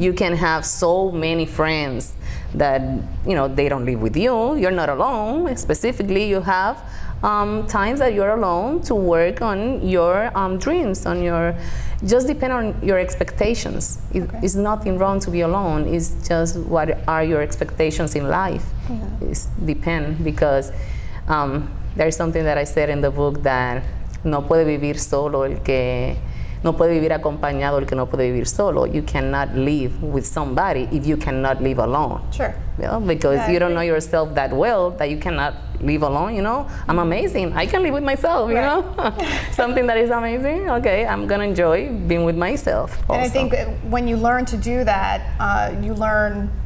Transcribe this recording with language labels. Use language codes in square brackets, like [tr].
[en] You can have so many friends that, you know, they don't live with you. You're not alone. Specifically, you have times that you're alone to work on your dreams, on your, just depend on your expectations. Okay. It's nothing wrong to be alone. It's just what are your expectations in life. Mm-hmm. It depend because there's something that I said in the book that [es] no puede vivir solo el que no puede vivir acompañado el que no puede vivir solo. [en] You cannot live with somebody if you cannot live alone. Sure. You know, because you don't know yourself that well that you cannot live alone, you know? I'm amazing. I can live with myself, right. you know? Something that is amazing, okay, I'm gonna enjoy being with myself also. And I think when you learn to do that, you learn